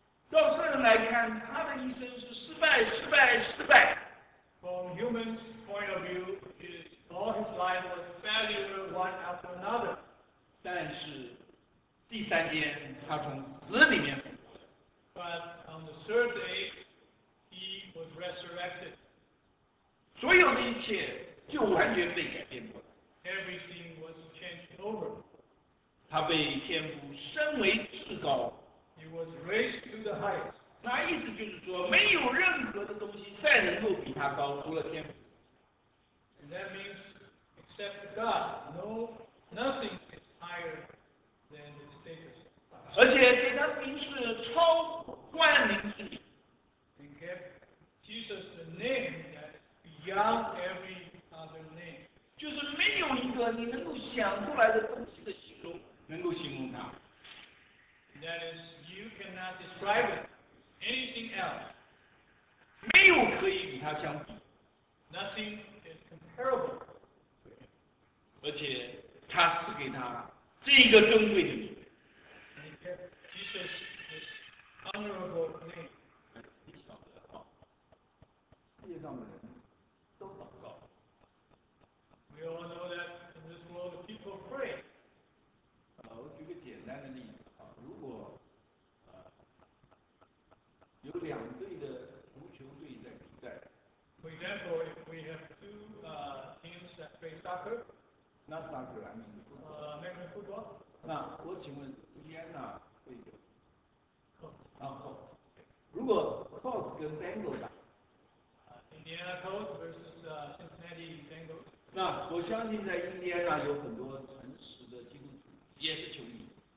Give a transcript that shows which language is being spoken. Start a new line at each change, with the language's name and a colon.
Chinese: 照个人来看，他的一生是失败，失败，失败。
English: From human's point of view, all his life was failure one after another.
Chinese: 但是第三天，他从死里面复活。
English: But on the third day, he was resurrected.
Chinese: 所有的一切就完全被改变过了。
English: Everything was changed over.
Chinese: 他被天父升为至高。
English: He was raised to the highest.
Chinese: 那意思就是说，没有任何的东西再能够比他高，除了天父。
English: And that means, except God, no, nothing is higher than the status.
Chinese: 而且给他名是超万民之名。
English: And gave Jesus the name that beyond every other name.
Chinese: 就是没有一个你能够想出来的东西的形容。能够形容他。
English: That is, you cannot describe it. Anything else.
Chinese: 没有可以与他相比。
English: Nothing is comparable.
Chinese: 而且他赐给他这一个尊贵的名。
English: Jesus is honorable name.
Chinese: 你晓得啊。世界上的人都祷告。
English: We all know that in this world people pray.
Chinese: 我举个简单的例子啊，如果有两队的足球队在比赛。
English: For example, if we have two teams that play soccer. Not soccer, I mean. American football.
Chinese: 那我请问 ，Indiana 会有？
English: Colts.
Chinese: 如果 Colts 跟 Bengals 打
English: ，Indiana Colts versus Cincinnati Bengals.
Chinese: 那我相信在 Indiana 有很多诚实的基督徒，也是球迷。